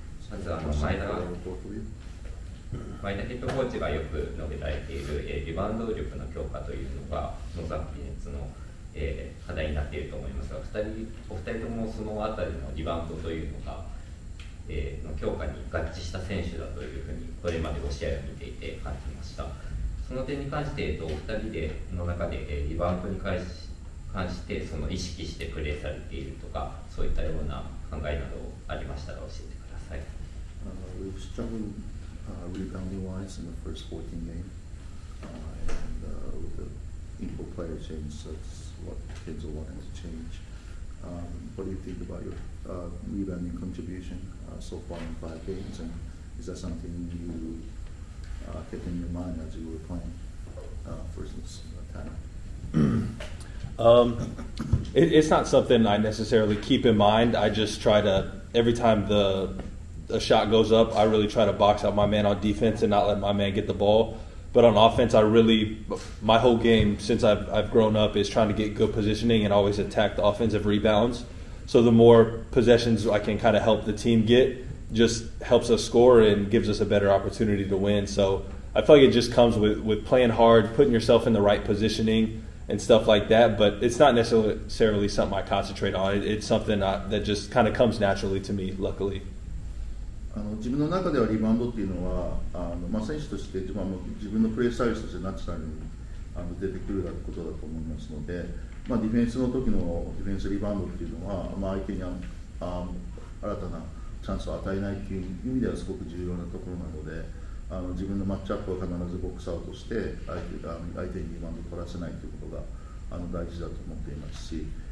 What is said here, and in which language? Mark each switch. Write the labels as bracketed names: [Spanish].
[Japanese] まず前田ヘッドコーチがよく述べられている、リバウンド力の強化というのがノザンピネッツの、課題になっていると思いますが、お二人ともそのあたりのリバウンドというのが、の強化に合致した選手だというふうにこれまでお試合を見ていて感じました。その点に関して、お二人での中でリバウンドに関してその意識してプレーされているとか、そういったような考えなどありましたら教えてください。 [English] We've struggled rebounding wise in the first 14 games and with the equal player change, that's what kids are wanting to change. What do you think about your rebounding contribution so far in 5 games, and is that something youkept in your mind as you were playing for instance Tanner? It's not something I necessarily keep in mind. I just try to, every time a shot goes up, I really try to box out my man on defense and not let my man get the ball. But on offense, I really, my whole game since I've grown up is trying to get good positioning and always attack the offensive rebounds. So the more possessions I can kind of help the team get,just helps us score and gives us a better opportunity to win. So I feel like it just comes with playing hard, putting yourself in the right positioning and stuff like that. But it's not necessarily something I concentrate on. It's something that just kind of comes naturally to me, luckily. [Japanese] 自分の中ではリバウンドっていうのは、まあ、選手として自分のプレースタイルとしてナチュラルに出てくることだと思いますので、まあ、ディフェンスの時のディフェンスリバウンドっていうのは、まあ、相手に新たなチャンスを与えないという意味ではすごく重要なところなので、自分のマッチアップは必ずボックスアウトして相手にリバウンドを取らせないということが大事だと思っていますし、